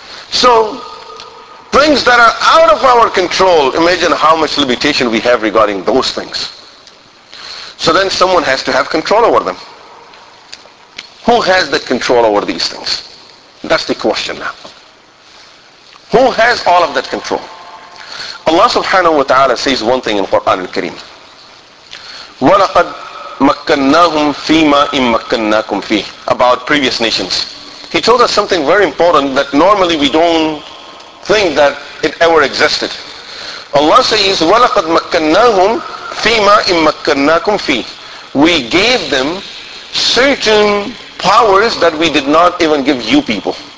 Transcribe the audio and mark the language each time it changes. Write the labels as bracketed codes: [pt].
[en] So, things that are out of our control, imagine how much limitation we have regarding those things. So then someone has to have control over them. Who has the control over these things? That's the question now. Who has all of that control? Allah subhanahu wa ta'ala says one thing in Quran al-Kareem. [ar] وَلَقَدْ مَكَّنَّاهُمْ فِي مَا إِمْ مَكَّنَّاكُمْ فِيهِ [en] About previous nations. He told us something very important that normally we don't think that it ever existed. Allah says, [ar] وَلَقَدْ مَكَّنَّاهُمْ فِيمَا إِمْ مَكَّنَّاكُمْ فِيهِ [en] We gave them certain powers that we did not even give you people.